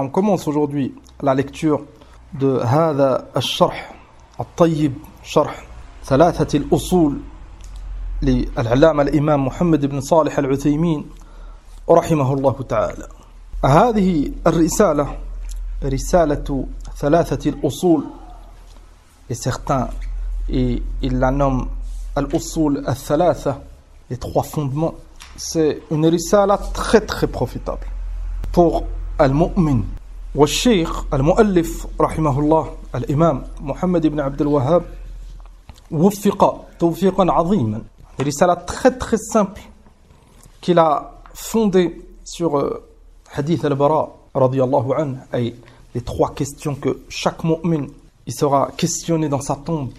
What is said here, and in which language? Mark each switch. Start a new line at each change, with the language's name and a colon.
French: On commence aujourd'hui la lecture de
Arabic: hadha al-sharh al-tayyib sharh thalathat al-usul للعلامة الإمام محمد بن صالح العثيمين رحمه الله تعالى. هذه الرسالة رسالة ثلاثة الأصول.
French: Et certains ils la nomment الأصول الثلاثة, les trois fondements. C'est une risala très très profitable pour المؤمن.
Arabic: والشيخ المؤلف رحمه الله الإمام محمد بن عبد الوهاب وفق توفيقا عظيما.
French: Une risala très très simple qu'il a fondée sur Hadith al-Bara radiyallahu anhu, les trois questions que chaque mu'min il sera questionné dans sa tombe.